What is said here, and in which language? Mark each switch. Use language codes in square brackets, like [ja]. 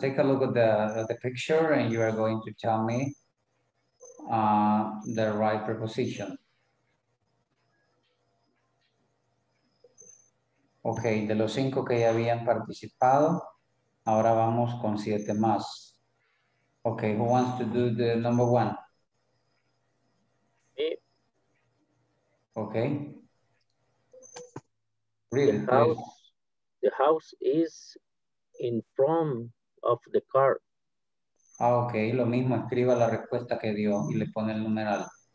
[en] Take a look at the picture and you are going to tell me the right preposition. [es] Okay, de los 5 que ya habían participado, ahora vamos con 7 más. [en] Okay, who wants to do the number 1? Me. Okay. The house is in front of the car. [es] Ah, okay, lo mismo, escriba la respuesta que dio y le pone el numeral.